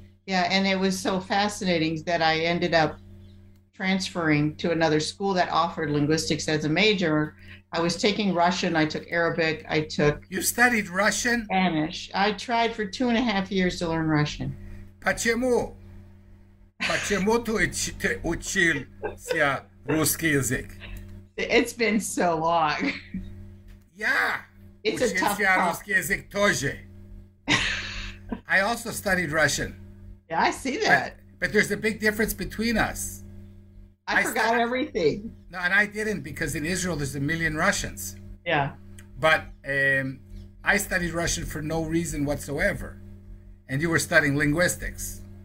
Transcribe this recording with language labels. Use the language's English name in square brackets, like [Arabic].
[English] Yeah, and it was so fascinating that I ended up transferring to another school that offered linguistics as a major. I was taking Russian, I took Arabic, I took— You studied Russian? Spanish. I tried for 2.5 years to learn Russian. [Russian] Почему? Почему ты учился русский язык? [English] It's been so long. Yeah. It's a tough call. [Russian] Учился русский язык тоже. [English] I also studied Russian. Yeah, I see that. But there's a big difference between us. I forgot everything. No, and I didn't because in Israel there's a million Russians. Yeah. But I studied Russian for no reason whatsoever. And you were studying linguistics.